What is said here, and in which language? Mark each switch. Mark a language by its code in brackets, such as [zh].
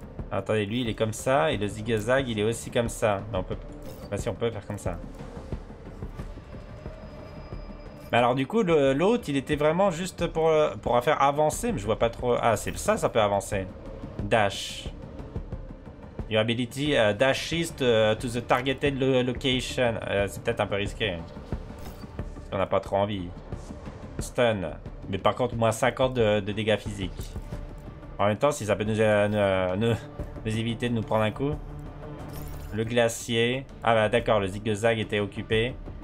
[fr] Attendez, lui il est comme ça et le zigzag il est aussi comme ça. Mais on peut. Bah si, on peut faire comme ça. Mais alors, du coup, l'autre il était vraiment juste pour faire avancer. Mais je vois pas trop. Ah, c'est ça, ça peut avancer. [en] Dash. Your ability dashes to the targeted location. [fr] C'est peut-être un peu risqué. On a pas trop envie. Stun. Mais par contre, moins 50 de dégâts physiques. En même temps, si ça peut nous éviter de nous prendre un coup. Le glacier. Ah bah d'accord, le zigzag était occupé.